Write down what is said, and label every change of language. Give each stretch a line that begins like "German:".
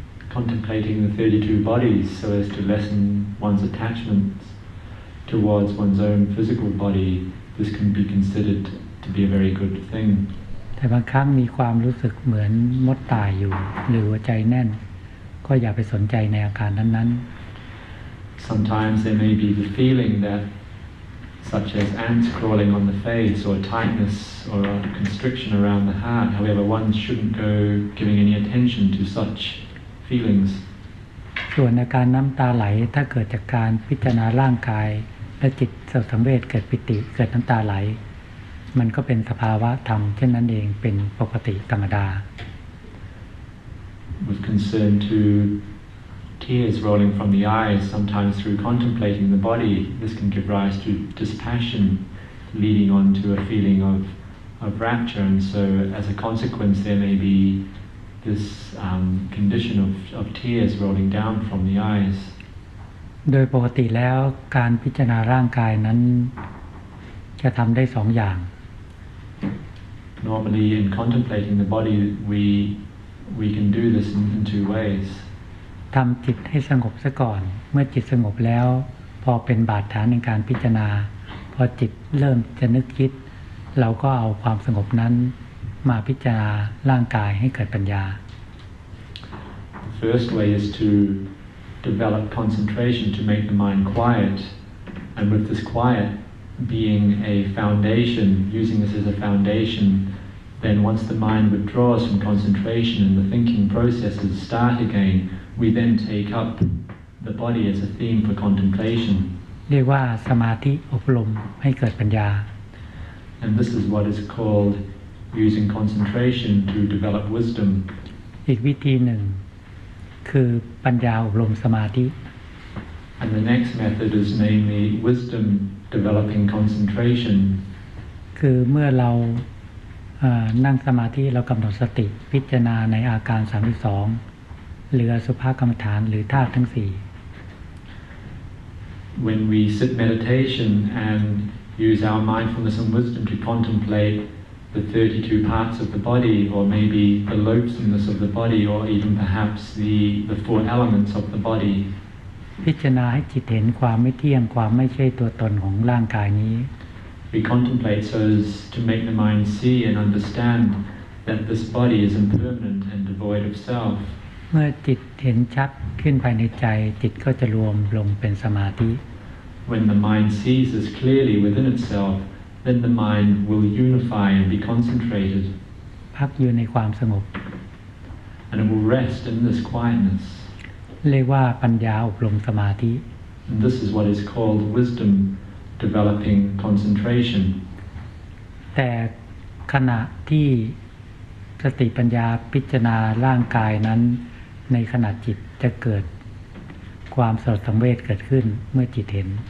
English: Contemplating the 32 bodies so as to lessen one's attachments towards one's own physical body, this can be considered to be a very good thing
Thai: แต่บางครั้งมีความรู้สึกเหมือนมดตายอยู่หรือหัวใจแน่นก็อย่าไปสนใจในอาการนั้น
English: ๆ Sometimes there may be the feeling that such as ants crawling on the face or tightness or a constriction around the heart however one shouldn't go giving any attention to such feelings
Thai: ส่วนอาการน้ำตาไหลถ้าเกิดจากการพิจารณาร่างกายและจิตสงบสังเวชเกิดปิติเกิดน้ำตาไหลมันก็เป็นสภาวะธรรมเช่นนั้นเองเป็นปกติธรรมดา
English: With concern to tears rolling from the eyes sometimes through contemplating the body this can give rise to dispassion leading on to a feeling of rapture and so as a consequence there may be this condition of tears rolling down from the eyes
Thai: โดยปกติแล้วการพิจารณาร่างกายนั้นจะทำได้สองอย่าง
English: Normally, in contemplating the body, we can do this in two ways.
Thai: ทำจิตให้สงบซะก่อนเมื่อจิตสงบแล้วพอเป็นบาดฐานในการพิจารณาพอจิตเริ่มจะนึกคิดเราก็เอาความสงบนั้นมาพิจารณาร่างกายให้เกิดปัญญา
English: The first way is to develop concentration to make the mind quiet, and with this quiet. Being a foundation, using this as a foundation, then once the mind withdraws from concentration and the thinking processes start again, we then take up the body as a theme for contemplation.
Thai: เรียกว่าสมาธิอบรมให้เกิดปัญญา
English: And this is what is called using concentration to develop wisdom.
Thai: อีกวิธีหนึ่งคือปัญญาอบรมสมาธิ
English: And the next method is namely wisdomdeveloping concentration
Thai: คือเมื่อเรานั่งสมาธิเรากำหนดสติพิจารณาในอาการ32หรืออสุภกรรมฐานหรือธาตุทั้ง4
English: When we sit meditation and use our mindfulness and wisdom to contemplate the 32 parts of the body or maybe the loathsomeness of the body or even perhaps the four elements of the body
Thai: พิจารณาให้จิตเห็นความไม่เที่ยงความไม่ใช่ตัวตนของร่างกายนี้
English: We contemplate so as to make the mind see and understand that this body is impermanent and devoid of self
Thai: เมื่อจิตเห็นชัดขึ้นภายในใจจิตก็จะรวมลงเป็นสมาธิ
English: When the mind sees this clearly within itself then the mind will unify and be concentrated
Thai: พักอยู่ในความสงบ
English: And it will rest in this quietness
Thai: เรียกว่าปัญญาอบรมสมาธิ
English: And this is what is called wisdom developing concentration
Thai: แต่ขณะที่สติปัญญาพิจารณาร่างกายนั้นในขณะจิตจะเกิดความสลดสังเวชเกิดขึ้นเมื่อจิตเห็น